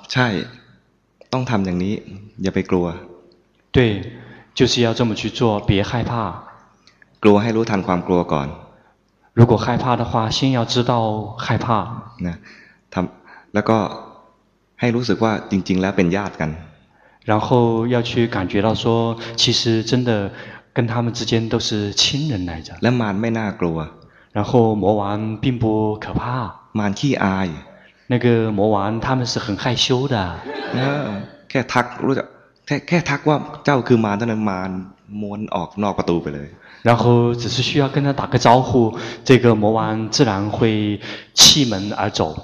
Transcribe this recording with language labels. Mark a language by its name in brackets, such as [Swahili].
[Thai] ใช่ต้องทำอย่างนี้อย่าไปกลัว [Chinese] 对就是要这么去做别害怕 [Thai] กลัวให้รู้ทันความกลัวก่อน [Chinese] 如果害怕的话先要知道害怕 [Thai] นะทำแล้วก็ให้รู้สึกว่าจริงๆแล้วเป็นญาติกัน [Chinese] 然后要去感觉到说其实真的跟他们之间都是亲人来着 [Thai] และมารไม่น่ากลัว [Chinese] 然后魔王并不可怕 [Thai] มารขี้อาย [Chinese] 那个魔王他们是很害羞的 [Thai] แค่ทักรู้จักแค่ทักว่าเจ้าคือมารเท่านั้นมารม้วนออกนอกประตูไปเลย [Chinese] 然后只是需要跟他打个招呼这个魔王自然会弃门而走